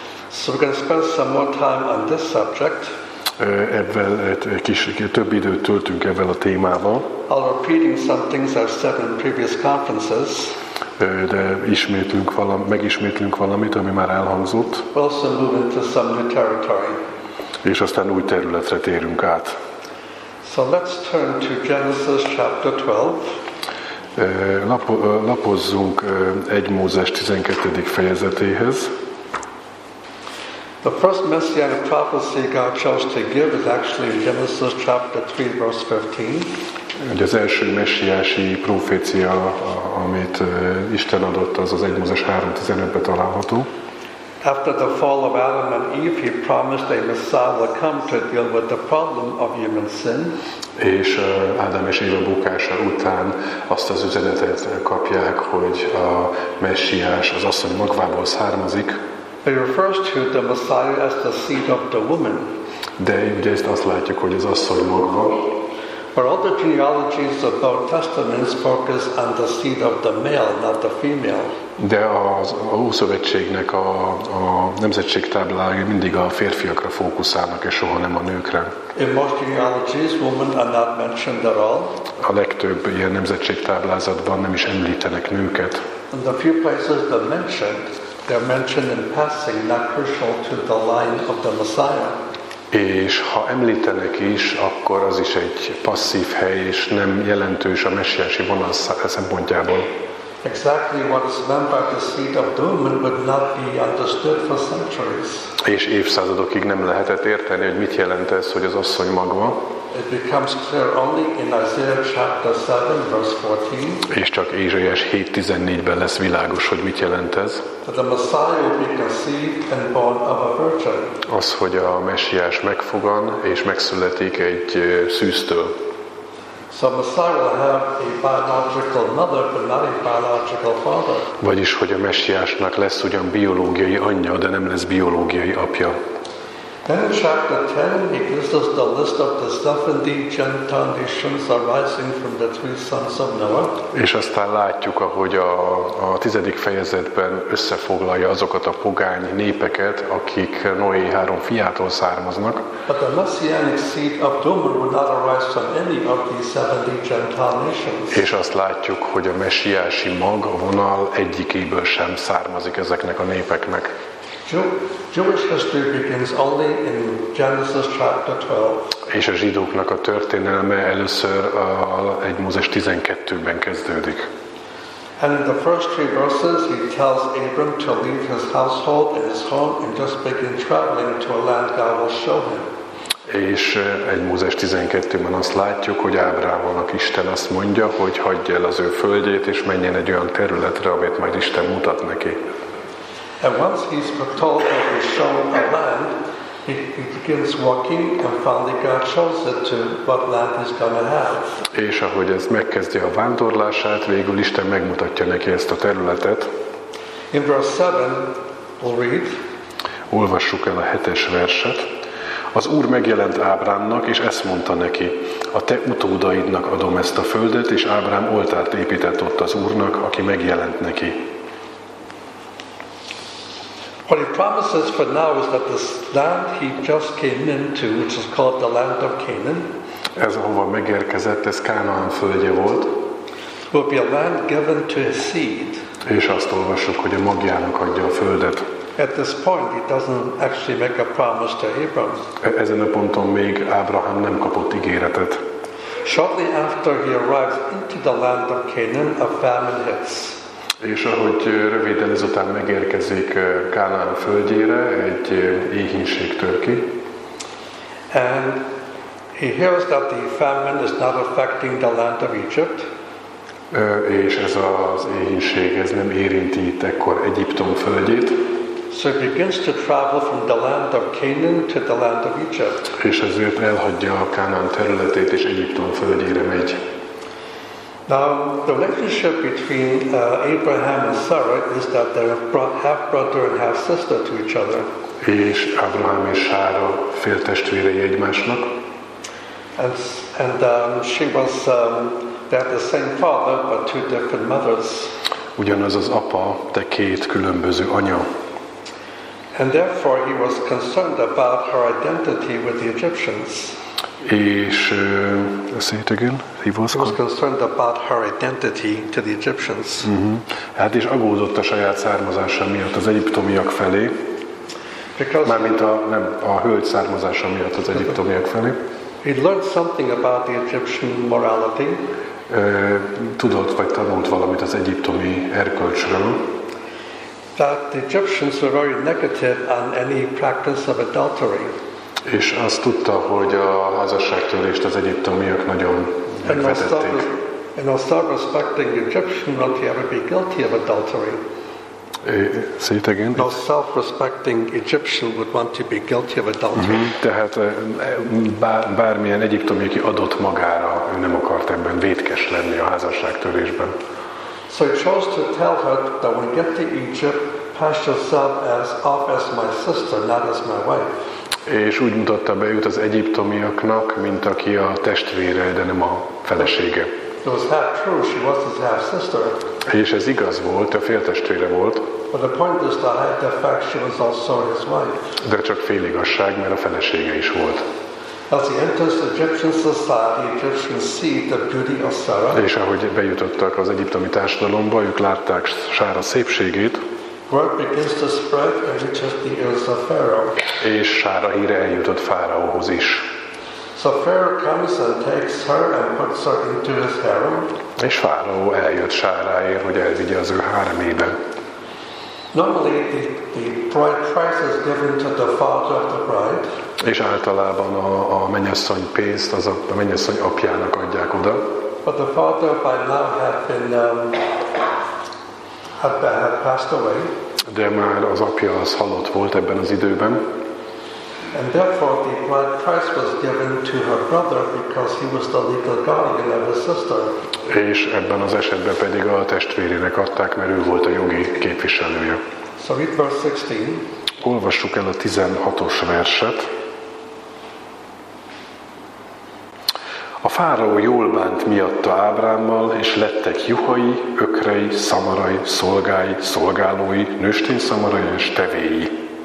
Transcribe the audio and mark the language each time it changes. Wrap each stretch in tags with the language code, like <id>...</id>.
<en>So we're going to spend some more time on this subject.</en> <hu>Ebből több időt töltünk ebben a témával.</hu> <en>I'll repeating some things I've said in previous conferences.</en> <hu>De megismétlünk valamit, ami már elhangzott.</hu> <en>We'll also move into some new territory.</en> <hu>És aztán új területre térünk át.</hu> <en>So let's turn to Genesis chapter 12.</en> <hu>Lapozzunk 1 Mózes 12. fejezetéhez.</hu> <en>The first messianic prophecy God chose to give is actually in Genesis chapter 3 verse 15.</en> <hu>Ugye az első messiási profécia, amit Isten adott, az 1 Mózes 3:15-ben található.</hu> <en>After the fall of Adam and Eve, he promised a Messiah would come to deal with the problem of human sin.</en> <hu>És Ádám és Éva bukása után azt az üzenetet kapják, hogy a messiás, az asszony magvából származik.</hu> <en>He refers to the Messiah as the seed of the woman.</en> <hu>De ugye ezt azt látjuk, hogy az asszony magva.</hu> <en>But all the genealogies of the Old Testament focus on the seed of the male, not the female.</en> <hu>De az Ószövetségnek a nemzetség táblája mindig a férfiakra fókuszálnak, és soha nem a nőkre.</hu> <en>In most genealogies, women are not mentioned at all.</en> <hu>A legtöbb ilyen nemzetség táblázatban nem is említenek nőket.</hu> <en>In the few places that mentioned, they're mentioned in passing, not crucial to the line of the Messiah.</en> <hu>És ha említenek is, akkor az is egy passzív hely, és nem jelentős a messiási vonal szempontjából.</hu> <en>Exactly what is meant by the seed of the woman would not be understood for centuries.</en> <hu>És évszázadokig nem lehetett érteni, hogy mit jelent ez, hogy az asszony magva.</hu> <en>It becomes clear only in Isaiah chapter 7 verse 14.</en> <hu>És csak Ézsaiás 7:14-ben lesz világos, hogy mit jelent ez.</hu> <en>That the Messiah will be conceived and born of a virgin.</en> <hu>Az, hogy a messiás megfogan és megszületik egy szűztől.</hu> <en>So Messiah will have a biological mother, but not a biological father.</en> <hu>Vagyis, hogy a messiásnak lesz ugyan biológiai anyja, de nem lesz biológiai apja.</hu> <en>Then in chapter 10, he gives us the list of the 70 Gentile nations arising from the three sons of Noah.</en> <hu>És aztán látjuk, ahogy a 10. fejezetben összefoglalja azokat a pogány népeket, akik Noé három fiától származnak.</hu> <en>But the messianic seed of the woman would not arise from any of the 70 Gentile nations.</en> <hu>És azt látjuk, hogy a messiási mag, a vonal egyikéből sem származik ezeknek a népeknek.</hu> <en>Jewish history begins only in Genesis chapter 12.</en> <hu>És a zsidóknak a történelme először 1 Mózes 12-ben kezdődik.</hu> <en>And in the first three verses, he tells Abram to leave his household and his home and just begin traveling to a land God will show him.</en> <hu>És egy Mózes 12-ben azt látjuk, hogy Ábrámnak Isten azt mondja, hogy hagyja el az ő földjét és menjen egy olyan területre, amit majd Isten mutat neki.</hu> <en>And once he's been told that he's shown a land, he begins walking and finally God shows it to what land he's gonna have.</en> <hu>És ahogy ez megkezdi a vándorlását, végül Isten megmutatja neki ezt a területet.</hu> <en>In verse 7, we'll read.</en> <hu>Olvassuk el a 7-es verset. Az Úr megjelent Ábrámnak, és ezt mondta neki, a te utódaidnak adom ezt a földet, és Ábrám oltárt épített ott az Úrnak, aki megjelent neki.</hu> <en>What he promises for now is that this land he just came into, which is called the land of Canaan,</en> <hu>ez, ahova megérkezett, ez Kánaán földje volt,</hu> <en>will be a land given to his seed.</en> <hu>És azt olvassuk, hogy a magjának adja a földet.</hu> <en>At this point, he doesn't actually make a promise to Abram.</en> <hu>Ezen a ponton még Ábrahám nem kapott ígéretet.</hu> <en>Shortly after he arrives into the land of Canaan, a famine hits.</en> <hu>És ahogy röviden ezután megérkezik Kánaán földjére, egy éhínség tör ki.</hu> <en>And he hears that the famine is not affecting the land of Egypt.</en> <hu>És ez az éhínség, ez nem érinti itt ekkor Egyiptom földjét.</hu> <en>So he begins to travel from the land of Canaan to the land of Egypt.</en> <hu>És ezért elhagyja a Kánaán területét és Egyiptom földjére megy.</hu> <en>Now the relationship between Abraham and Sarah is that they're half brother and half sister to each other.</en> <hu>És Ábrahám és Sára féltestvérei egymásnak.</hu> <en>And she was they had the same father but two different mothers.</en> <hu>Ugyanaz az apa, de két különböző anya.</hu> <en>And therefore he was concerned about her identity with the Egyptians. És say it again. He was concerned about her identity to the Egyptians.</en> <hu>Hát és aggódott a saját származása miatt az egyiptomiak felé. Mármint a hölgy származása miatt az egyiptomiak felé.</hu> <en>He learned something about the Egyptian morality.</en> <hu>Tudott vagy tanult valamit az egyiptomi erkölcsről.</hu> <en>That the Egyptians were very negative on any practice of adultery.</en> <hu>És azt tudta, hogy a házasságtörést az egyiptomiak nagyon megvetették.</hu> <en>And I'll start respecting the Egyptian not to ever be guilty of adultery. Say it again. No self-respecting Egyptian would want to be guilty of adultery. Mm-hmm.</en> <hu>Tehát bármilyen egyiptomi, aki adott magára, ő nem akart ebben vétkes lenni a házasságtörésben.</hu> <en>So he chose to tell her that when you get to Egypt, pass yourself as off as my sister, not as my wife.</en> <hu>És úgy mutatta be őt az egyiptomiaknak, mint aki a testvére, de nem a felesége.</hu> <en>It was half true, she was his half sister.</en> <hu>És ez igaz volt, a féltestvére volt.</hu> <en>But the point is that the fact she was also his wife.</en> <hu>De csak fél igazság, mert a felesége is volt.</hu> <en>As he enters Egyptian society, Egyptians see the beauty of Sarah.</en> <hu>És ahogy bejutottak az egyiptomi társadalomba, ők látták Sára szépségét.</hu> <en>Word begins to spread and reaches the ears of Pharaoh.</en> <hu>És Sára híre eljutott Fáraóhoz is.</hu> <en>So Pharaoh comes and takes her and puts her into his harem.</en> <hu>És Fáraó eljött Sáráért, hogy elvigye az ő háremébe.</hu> <en>Normally the bride price is given to the father of the bride.</en> <hu>És általában a mennyasszony pénzt az a mennyasszony apjának adják oda.</hu> <en>But the father by now had passed away.</en> <hu>De már az apja az halott volt ebben az időben.</hu> <en>And therefore the bride price was given to her brother because he was the legal guardian of his sister.</en> <hu>És ebben az esetben pedig a testvérének adták, mert ő volt a jogi képviselője.</hu> <en>So read verse 16.</en> <hu>Olvassuk el a 16-os verset. A fáraó jól bánt miatta Ábrámmal, és lettek juhai, ökrei, szamarai, szolgái, szolgálói, nőstény szamarai és tevéi.</hu>